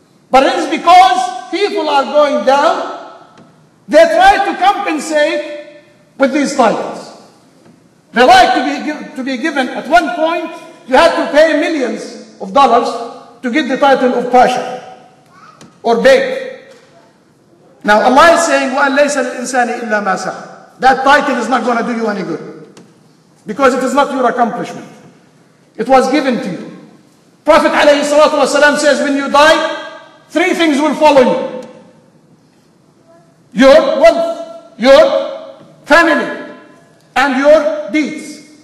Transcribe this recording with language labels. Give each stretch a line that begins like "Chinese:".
English: But it is because people are going down, they try to compensate with these titles. They like to be given, at one point, you had to pay millions of dollars to get the title of Pasha or Beg. Now Allah is saying,
Arabic: وَأَنْ لَيْسَ لِلْإِنسَانِ إِلَّا مَا سَعَى.
English: That title is not going to do you any good. Because it is not your accomplishment. It was given to you. Prophet
Arabic: عليه الصلاة والسلام
English: says, when you die, 3 things will follow you. Your wealth, your family, and your deeds.